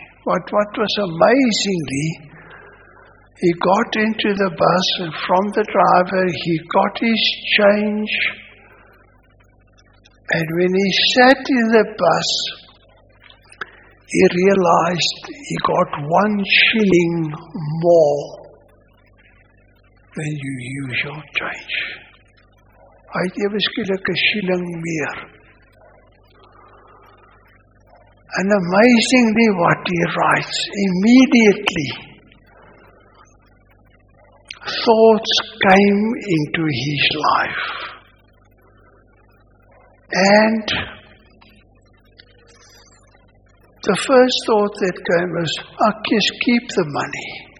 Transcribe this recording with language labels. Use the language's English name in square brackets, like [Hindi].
[English] What was amazingly, he got into the bus and from the driver he got his change. And when he sat in the bus, he realized he got 1 shilling more than you usual change. [Afrikaans] Hy het ewe skielik 1 shilling meer. [English] And amazingly what he writes, immediately thoughts came into his life. And the first thought that came was, I'll just keep the money.